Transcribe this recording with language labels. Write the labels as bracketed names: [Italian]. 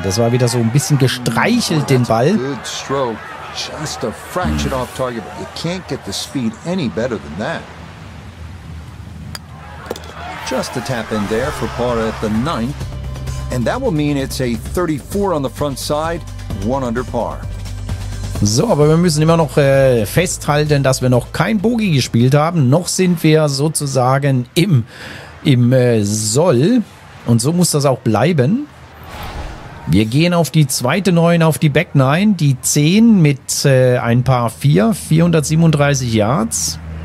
[German] Das war wieder so ein bisschen gestreichelt, den Ball. [English] Just a fraction off target, but you can't get the speed any better than that. Just a tap in there for par at the ninth. And that will mean it's a 34 on the front side, one under par. [German] So, aber wir müssen immer noch festhalten, dass wir noch kein Bogey gespielt haben. Noch sind wir sozusagen im Soll. Und so muss das auch bleiben. Wir gehen auf die zweite 9, auf die Back 9. Die 10 mit ein paar 4, 437 Yards.